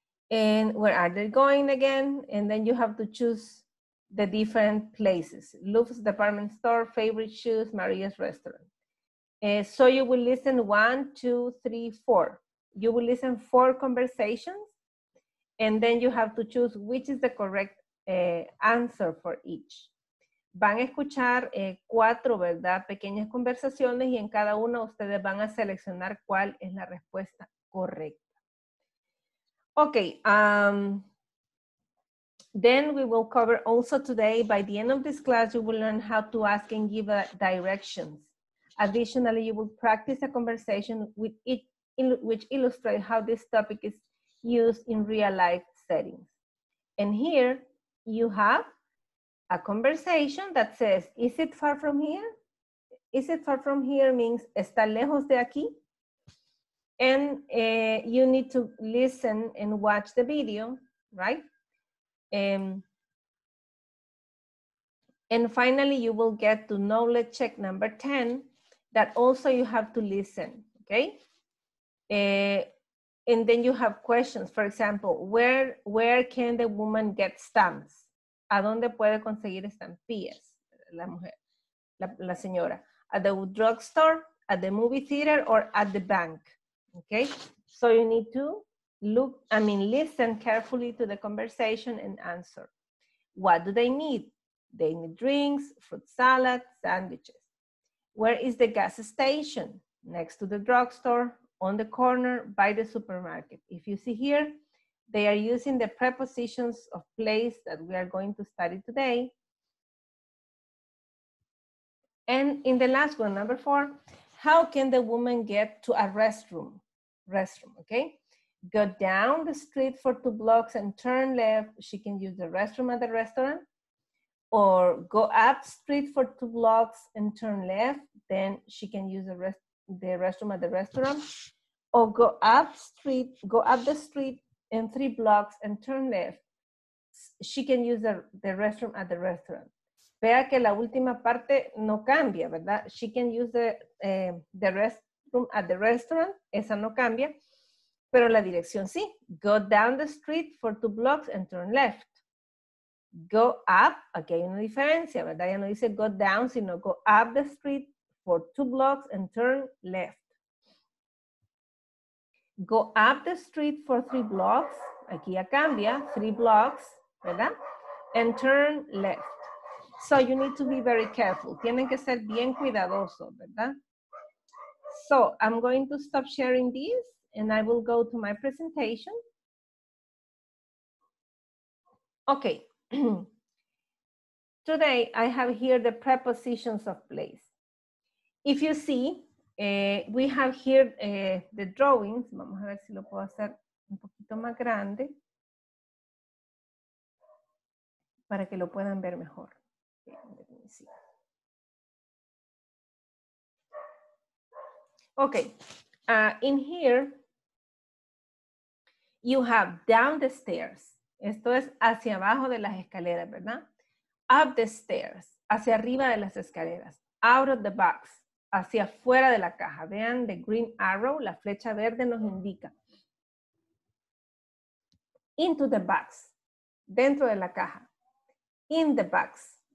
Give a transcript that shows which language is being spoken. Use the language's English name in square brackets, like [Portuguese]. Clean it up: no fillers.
[English] And where are they going again? And then you have to choose the different places: Louvre's department store, favorite shoes, Maria's restaurant. So you will listen 1, 2, 3, 4. You will listen 4 conversations, and then you have to choose which is the correct answer for each. [Spanish] Van a escuchar 4, ¿verdad? Pequeñas conversaciones, y en cada una ustedes van a seleccionar cuál es la respuesta correcta. [English] Okay. Then we will cover also today, by the end of this class, you will learn how to ask and give directions. Additionally, you will practice a conversation with it, which illustrates how this topic is used in real life settings. And here you have a conversation that says, is it far from here? Is it far from here means, [Spanish] ¿está lejos de aquí? [English] And you need to listen and watch the video, right? And finally, you will get to knowledge check number 10, that also you have to listen, okay? And then you have questions. For example, where can the woman get stamps? [Spanish] ¿A dónde puede conseguir estampillas la mujer, la señora? [English] At the drugstore, at the movie theater, or at the bank, okay? So you need to listen carefully to the conversation and answer. What do they need? They need drinks, fruit salad, sandwiches. Where is the gas station? Next to the drugstore, on the corner, by the supermarket. If you see here, they are using the prepositions of place that we are going to study today. And in the last one, number four, how can the woman get to a restroom? Restroom, okay? Go down the street for two blocks and turn left. She can use the restroom at the restaurant. Or go up street for two blocks and turn left. Then she can use the restroom at the restaurant. Or go up the street in three blocks and turn left. She can use the restroom at the restaurant. [Spanish] Vea que la última parte no cambia, ¿verdad? [English] She can use the restroom at the restaurant. [Spanish] Esa no cambia. Pero la dirección sí. [English] Go down the street for two blocks and turn left. Go up. [Spanish] Aquí hay una diferencia, ¿verdad? Ya no dice [English] go down, [Spanish] sino [English] go up the street for two blocks and turn left. Go up the street for three blocks. [Spanish] Aquí ya cambia. [English] Three blocks, [Spanish] ¿verdad? [English] And turn left. So you need to be very careful. [Spanish] Tienen que ser bien cuidadosos, ¿verdad? [English] So I'm going to stop sharing this and I will go to my presentation. Okay. Today I have here the prepositions of place. If you see, we have here the drawings. [Spanish] Vamos a ver si lo puedo hacer un poquito más grande para que lo puedan ver mejor. [English] Okay, in here you have down the stairs. [Spanish] Esto es hacia abajo de las escaleras, ¿verdad? [English] Up the stairs, [Spanish] hacia arriba de las escaleras. [English] Out of the box, [Spanish] hacia afuera de la caja. Vean, [English] the green arrow, [Spanish] la flecha verde nos indica. [English] Into the box, [Spanish] dentro de la caja. [English] In the box.